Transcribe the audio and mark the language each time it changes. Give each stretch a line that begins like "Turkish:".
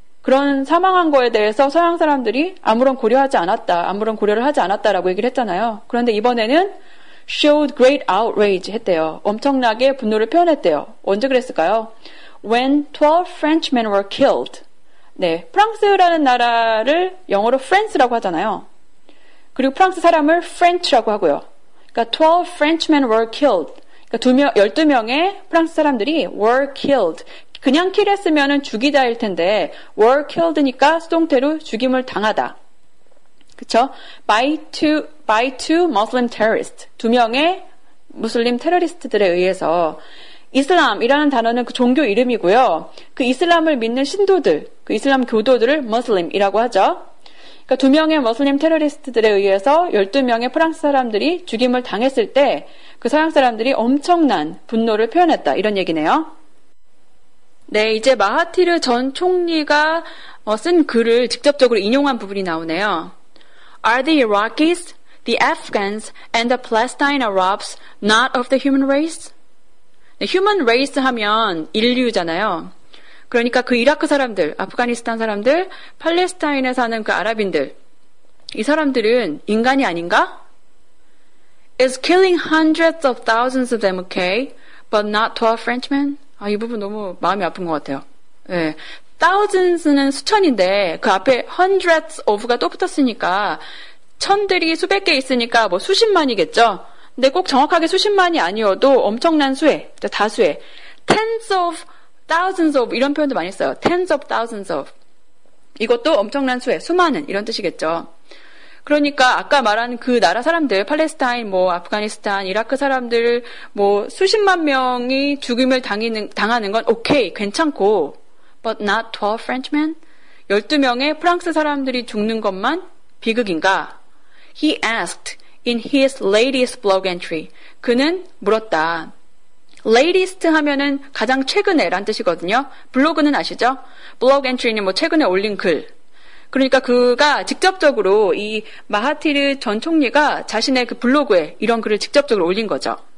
Korean: 그런 사망한 거에 대해서 서양 사람들이 아무런 고려하지 않았다, 아무런 고려를 하지 않았다라고 얘기를 했잖아요. 그런데 이번에는
English: showed great outrage
Korean: 했대요. 엄청나게 분노를 표현했대요. 언제 그랬을까요?
English: When 12 Frenchmen were killed.
Korean: 네, 프랑스라는 나라를 영어로 France라고 하잖아요. 그리고 프랑스 사람을 French라고 하고요. 그러니까
English: 12 Frenchmen were killed.
Korean: 그러니까 12명의 프랑스 사람들이
English: were killed.
Korean: 그냥 kill 했으면은 죽이다일 텐데 were killed니까 수동태로 죽임을 당하다. 그쵸?
English: By two Muslim terrorists.
Korean: 두 명의 무슬림 테러리스트들에 의해서. 이슬람이라는 단어는 그 종교 이름이고요. 그 이슬람을 믿는 신도들, 그 이슬람 교도들을 무슬림이라고 하죠. 그러니까 두 명의 무슬림 테러리스트들에 의해서 12명의 프랑스 사람들이 죽임을 당했을 때 그 서양 사람들이 엄청난 분노를 표현했다. 이런 얘기네요. 네, 이제 마하티르 전 총리가 쓴 글을 직접적으로 인용한 부분이 나오네요.
English: Are the Iraqis, the Afghans, and the Palestine Arabs not of the human race?
Korean: 네, human race 하면 인류잖아요. 그러니까 그 이라크 사람들, 아프가니스탄 사람들, 팔레스타인에 사는 그 아랍인들, 이 사람들은 인간이 아닌가?
English: Is killing hundreds of thousands of them okay, but not 12 Frenchmen?
Korean: 아, 이 부분 너무 마음이 아픈 것 같아요. 네. Thousands는 수천인데 그 앞에 hundreds of가 또 붙었으니까 천들이 수백 개 있으니까 뭐 수십만이겠죠. 근데 꼭 정확하게 수십만이 아니어도 엄청난 수에, 다수에 tens of thousands of 이런 표현도 많이 써요. tens of thousands of 이것도 엄청난 수에 수많은 이런 뜻이겠죠. 그러니까 아까 말한 그 나라 사람들, 팔레스타인, 뭐 아프가니스탄, 이라크 사람들 뭐 수십만 명이 죽임을 당하는 건 오케이, 괜찮고
English: but not 12 Frenchmen?
Korean: 12명의 프랑스 사람들이 죽는 것만 비극인가?
English: He asked in his latest blog entry.
Korean: 그는 물었다. latest 하면은 가장 최근에 라는 뜻이거든요. 블로그는 아시죠? blog entry는 뭐 최근에 올린 글. 그러니까 그가 직접적으로 이 마하티르 전 총리가 자신의 그 블로그에 이런 글을 직접적으로 올린 거죠.